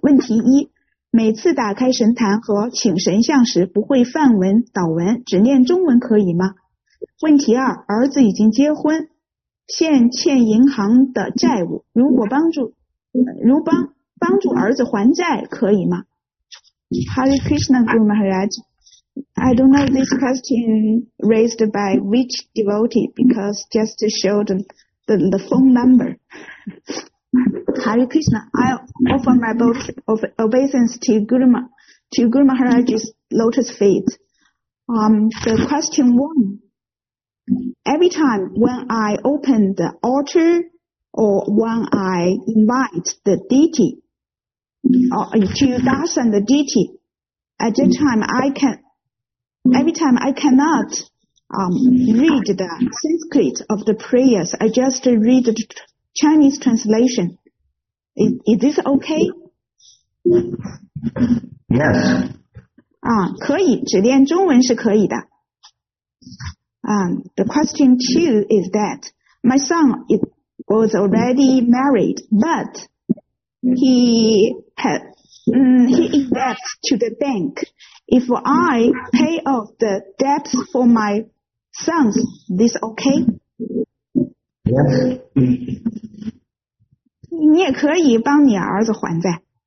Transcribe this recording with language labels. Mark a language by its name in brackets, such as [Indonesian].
[Chinese] 问题一，每次打开神坛和请神像时不会梵文祷文，只念中文可以吗？问题二，儿子已经结婚，现欠银行的债务，如帮助儿子还债可以吗？ [English] Hare Krishna Guru Maharaj,I don't know this question raised by which devotee because just to show the phone number. Hare Krishna, I offer my vote of obeisance to Guru Maharaj's lotus feet. The question one, every time when I open the altar or when I invite the deity to darshan the deity, at that time I can every time I cannot read the Sanskrit of the prayers. I just read the Chinese translation. Is this okay? Yes. [Chinese] 可以，只练中文是可以的。 [English] The question two is that my son was already married, but he had, he invests to the bank. If I pay off the debts for my son, is this okay? Yes. [Chinese] 你也可以帮你儿子还债。